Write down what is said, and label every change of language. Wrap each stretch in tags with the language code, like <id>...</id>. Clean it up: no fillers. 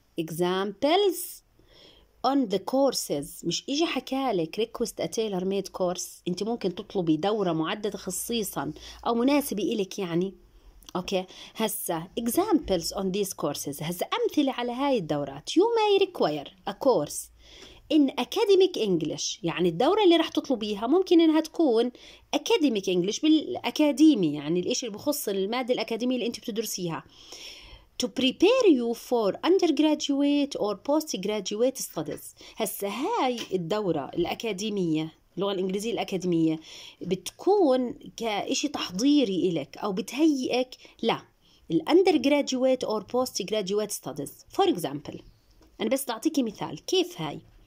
<en>Examples on the courses.</en> <ar>مش إجي حكالك</ar> <en>request a tailor-made course.</en> <ar>أنت ممكن تطلبي دورة معدة خصيصاً أو مناسبة إليك يعني.</ar> <en>Okay. هسا examples on these courses.</en> <ar>هسا أمثلة على هاي الدورات.</ar> <en>You may require a course in academic English.</en> <ar>يعني الدورة اللي راح تطلبيها ممكن إنها تكون academic English بالأكاديمي يعني الإشي اللي بخص المادة الأكاديمية اللي أنت بتدرسيها</ar> <en>to prepare you for undergraduate or postgraduate studies</en> <ar>هسا هاي الدورة الأكاديمية اللغة الإنجليزية الأكاديمية بتكون كإشي تحضيري إلك أو بتهيئك لا</ar> <en>undergraduate or postgraduate studies for example</en> <ar>أنا بس أعطيكي مثال كيف هاي</ar>